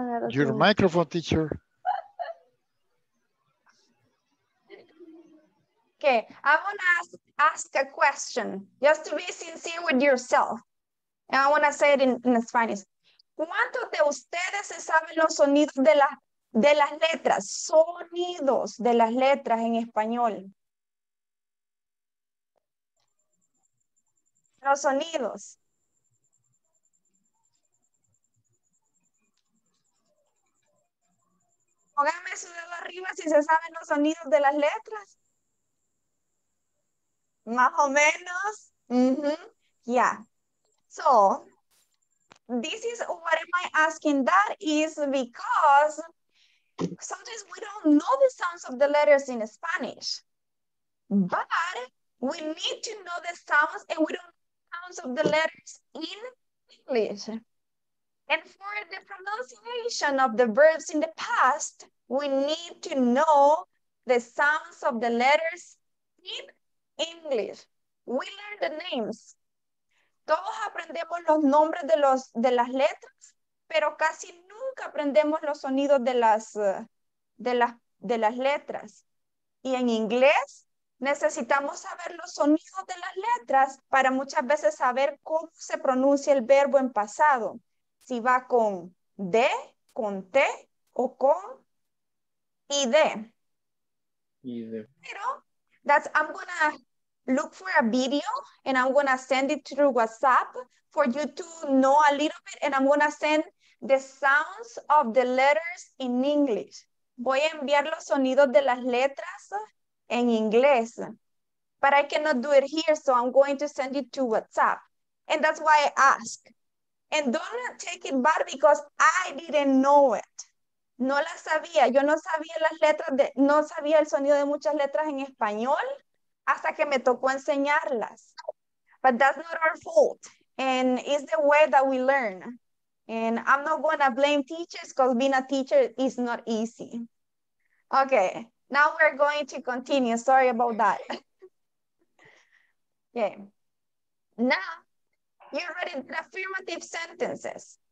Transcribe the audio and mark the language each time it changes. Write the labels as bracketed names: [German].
[English] Your microphone, teacher. Okay, I want to ask a question just to be sincere with yourself. And I want to say it in Spanish. [Spanish] ¿Cuántos de ustedes se saben los sonidos de las letras? Sonidos de las letras en español. Los sonidos. Póngame su dedo arriba si se saben los sonidos de las letras. Más o menos. [English] Mm-hmm. Yeah. So, this is what am I asking? That is because sometimes we don't know the sounds of the letters in Spanish. But we need to know the sounds and we don't know the sounds of the letters in English. And for the pronunciation of the verbs in the past, we need to know the sounds of the letters in English. We learn the names. [Spanish] Todos aprendemos los nombres de las letras, pero casi nunca aprendemos los sonidos de las, de las, de las letras. Y en inglés necesitamos saber los sonidos de las letras para muchas veces saber cómo se pronuncia el verbo en pasado. Si va con D, con T o con ID. [English] Pero, I'm going to look for a video and I'm going to send it through WhatsApp for you to know a little bit and I'm going to send the sounds of the letters in English. [Spanish] Voy a enviar los sonidos de las letras en inglés. [English] But I cannot do it here, so I'm going to send it to WhatsApp. And that's why I ask. And don't take it bad because I didn't know it. [Spanish] No la sabía. Yo no sabía las letras, no sabía el sonido de muchas letras en español hasta que me tocó enseñarlas. [English] But that's not our fault. And it's the way that we learn. And I'm not going to blame teachers because being a teacher is not easy. Okay, now we're going to continue. Sorry about that. Okay. Now, you're ready for affirmative sentences.